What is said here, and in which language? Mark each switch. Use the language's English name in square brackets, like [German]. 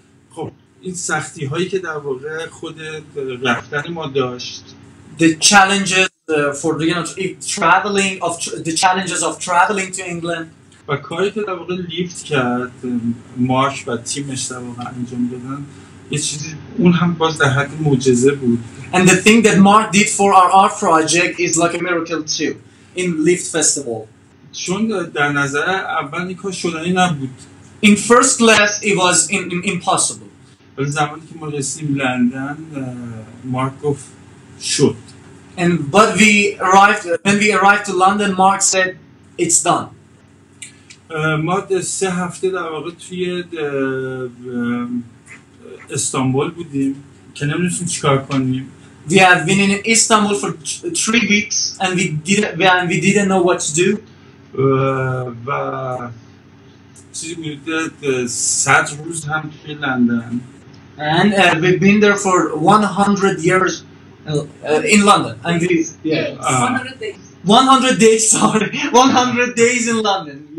[Persian] خب این سختی هایی که در واقع خود رفتن ما داشت. [English] The challenges for you know traveling of the challenges of traveling to England. [Persian] و کاری که در واقع لیفت کرد مارک و تیمش در واقع انجام دادن یه چیزی اون هم باز در حد معجزه بود. [English] And the thing that Mark did for our art project is like a miracle too in Lift Festival. [Persian] چون در نظر اول این کار شدنی نبود. [English] In first class it was impossible. [Persian] ولی زمانی که ما رسیدیم لندن مارک گفت شد. [English] And but when we arrived to London, Mark said it's done. [Persian] ما سه هفته در واقع توی استانبول بودیم که نمیدونستیم چیکار کنیم. [English] We have been in Istanbul for 3 weeks and we didn't know what to do. [Persian] و چیزی بود صد روز هم توی لندن. [English] And we've been there for 100 years in London. And this, yeah. 100 days in London.